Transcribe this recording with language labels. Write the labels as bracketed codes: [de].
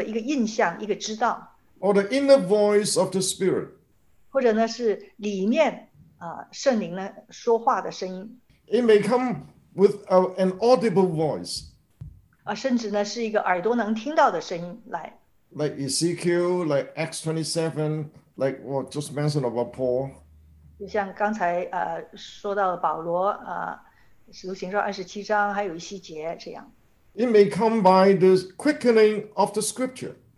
[zh] 有时候呢,是圣灵给的一个很深的,一个心中的一个印象,一个知道。 [en] Or the inner voice of the Spirit. [zh] 或者呢,是里面圣灵说话的声音。 [en] It may come with an audible voice. [zh] 甚至呢,是一个耳朵能听到的声音来。 [en] Like Ezekiel, like Acts 27, like what just mentioned about Paul. [zh] 就像刚才说到保罗,使徒行传27章,还有一细节这样。 [en] It may come by the quickening of the scripture.